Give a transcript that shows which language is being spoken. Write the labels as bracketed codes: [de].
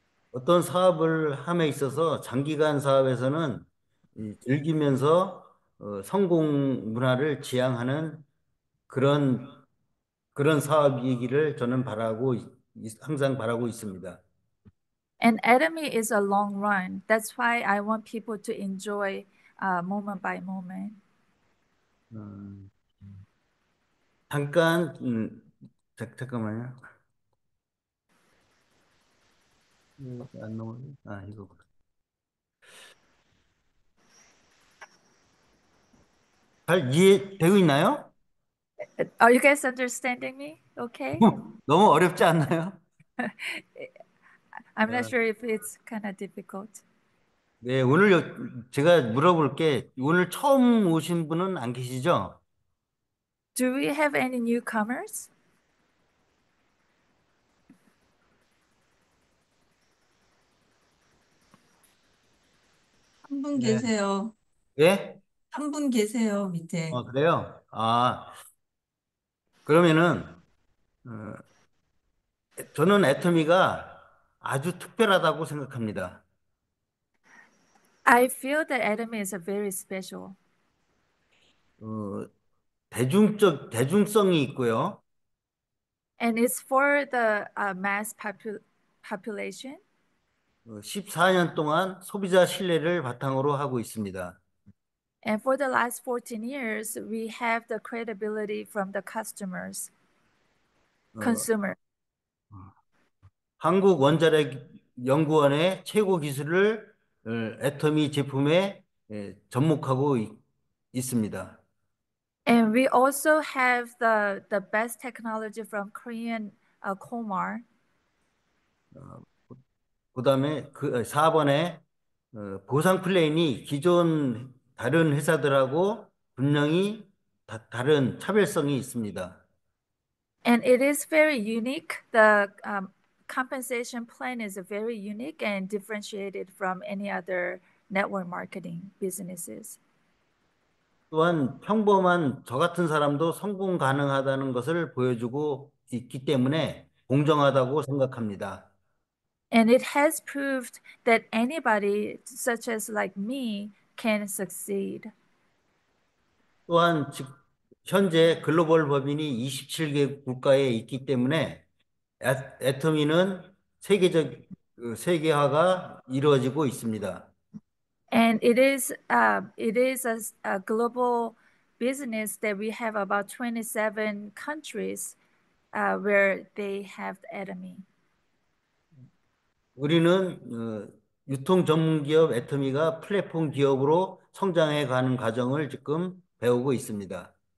[ko] 어떤 사업을 함에 있어서 장기간 사업에서는 즐기면서 성공 문화를 지향하는 그런 사업이기를 저는 항상 바라고 있습니다. [en] And Atomy is a long run. That's why I want people to enjoy moment by moment. [ko] 잠깐, 잠깐만요. 이거. 잘 이해되고 있나요? [en] Are you guys understanding me? Okay. [ko] 너무 어렵지 않나요? [en] I'm not sure if it's kind of difficult. [ko] 네, 오늘 제가 물어볼게. 오늘 처음 오신 분은 안 계시죠? [en] Do we have any newcomers? [ko] 한분 계세요. 예? 한분 계세요, 밑에. 그래요? 그러면은, 저는 애터미가 아주 특별하다고 생각합니다. [en] I feel that Atomy is a very special. [ko] 대중성이 있고요. [en] And it's for the mass population. [ko] 14년 동안 소비자 신뢰를 바탕으로 하고 있습니다. [en] And for the last 14 years, we have the credibility from the customers, consumer. [ko] 한국 원자력 연구원의 최고 기술을 애터미 제품에 접목하고 있습니다. [en] And we also have the best technology from Korean Komar. [ko] 그다음에 그 4번에 보상 플랜이 기존 다른 회사들하고 분명히 다른 차별성이 있습니다. [en] And it is very unique. The compensation plan is very unique and differentiated from any other network marketing businesses. [ko] 또한 평범한 저 같은 사람도 성공 가능하다는 것을 보여주고 있기 때문에 공정하다고 생각합니다. [en] And it has proved that anybody, such as like me, can succeed. [ko] 또한 현재 글로벌 법인이 27개 국가에 있기 때문에 애터미는 세계화가 이루어지고 있습니다. [en] And it is a global business that we have about 27 countries where they have Atomy. [ko] 우리는 유통 전문 기업 애터미가 플랫폼 기업으로 성장해 가는 과정을 지금 배우고 있습니다.